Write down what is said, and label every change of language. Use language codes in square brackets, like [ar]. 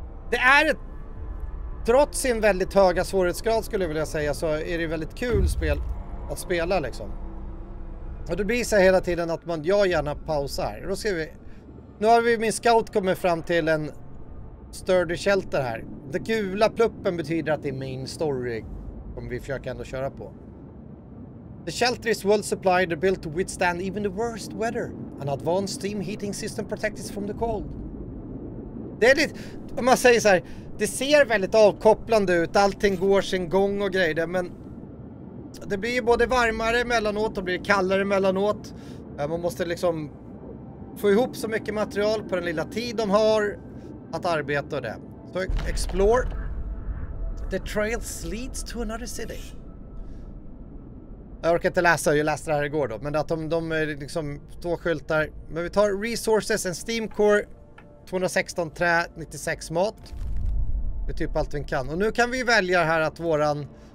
[sv] Det är ett... Trots sin väldigt höga svårighetsgrad skulle jag vilja säga, så är det väldigt kul spel att spela liksom. Och det blir så hela tiden att man, jag gärna pausar. Då ska vi... Nu har vi min scout kommit fram till en sturdy shelter här. Den gula pluppen betyder att det är main story som vi försöker ändå köra på. [en] The shelter is well supplied and built to withstand even the worst weather. An advanced steam heating system protects it from the cold. [sv] Det är lite, om man säger så här, det ser väldigt avkopplande ut. Allting går sin gång och grejer, men det blir ju både varmare mellanåt och blir kallare mellanåt. Man måste liksom få ihop så mycket material på den lilla tid de har att arbeta och det. Så explore. [en] The trail leads to another city. [sv] Jag orkar inte läsa, jag läste det här igår då. Men att de är liksom två skyltar. Men vi tar resources, en steam core, 216 trä, 96 mat. Det är typ allt vi kan. Och nu kan vi välja här att våran...